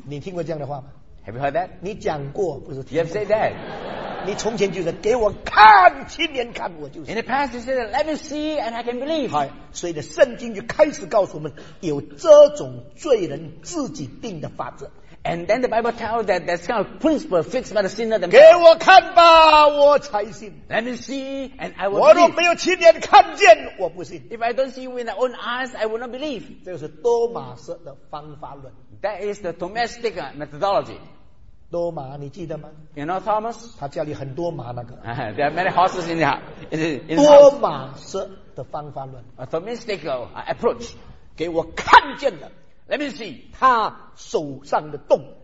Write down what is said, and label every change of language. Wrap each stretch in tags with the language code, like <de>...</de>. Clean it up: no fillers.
<zh>你听过这样的话吗？</zh> <en>Have you heard that?</en> <zh>你讲过不是听</zh> <en>You have said that.</en> <zh>你从前就是给我看，亲眼看我就是。</zh> <en>In the past, you said, "Let me see, and I can believe."</en> <zh>好，所以的圣经就开始告诉我们有这种罪人自己定的法则。</zh> <en>And then the Bible tells that that's kind of principle fixed by the sinner</en> <zh>themselves. 给我看吧，我才信。</zh> <en>Let me see, and I will.</en> <zh>我若没有亲眼看见，我不信。</zh> <en>If I don't see with my own eyes, I will not believe.</en> <zh>这个是多马斯的方法论。</zh> <en>That is the domestic methodology.</en> <zh>多马，你记得吗</zh> <en>？You know Thomas？</en> <zh>他家里很多马那个。</zh> <en>There are many horses in the house.</en> <zh>多马式的方法论。</zh> <en>A thomistical approach，</en> <zh>给我看见了。</zh> <en>Let me see.</en> <zh>他手上的洞。</zh>